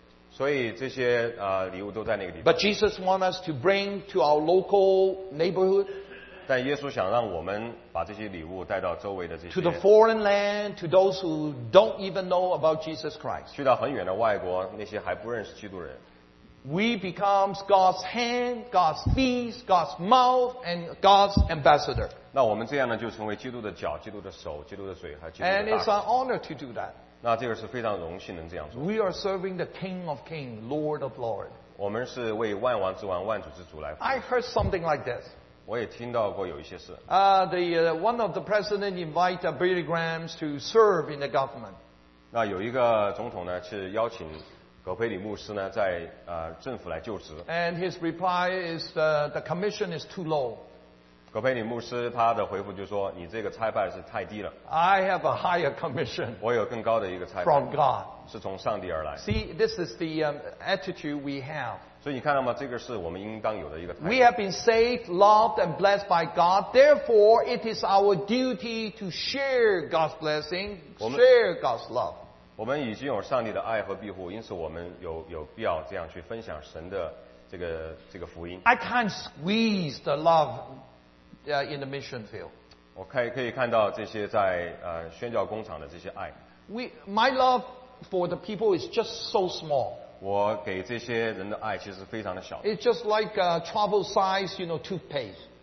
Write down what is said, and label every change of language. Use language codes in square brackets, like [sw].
[zh] 所以这些礼物都在那个地方 [en] but Jesus wants us to bring to our local neighborhood [zh] 但耶稣想让我们把这些礼物带到周围的这些 [en] to the foreign land to those who don't even know about Jesus Christ [zh] 去到很远的外国那些还不认识基督人 [en] we become God's hand God's feet God's mouth and God's ambassador [zh] 那我们这样呢就成为基督的脚基督的手基督的嘴还基督的大 [en] and it's an honor to do that [zh] 那这个是非常荣幸能这样做 [en] we are serving the King of Kings Lord of Lords [zh] 我们是为万王之王万主之主来服 [en] I heard something like this one of the president invited Billy Graham to serve in the government. [zh] 那有一个总统呢，是邀请葛培里牧师呢，在政府来就职。 [en] And his reply is the commission is too low. [zh] 葛培里牧师他的回复就说，你这个差派是太低了。 [en] I have a higher commission. [zh] 我有更高的一个差派。 [en] From God. [zh] 是从上帝而来。 [en] See, this is the attitude we have. [zh] 所以你看到吗？这个是我们应当有的一个态度。 [en] We have been saved, loved, and blessed by God. Therefore, it is our duty to share God's blessing, share God's love. [zh] 我们已经有上帝的爱和庇护，因此我们有必要这样去分享神的这个福音。 [en] I can't squeeze the love in the mission field. [zh] 我可以看到这些在宣教工厂的这些爱。 [en] My love for the people is just so small. [zh] 我给这些人的爱其实非常的小。 [en] It's just like a travel size, you know, toothpaste.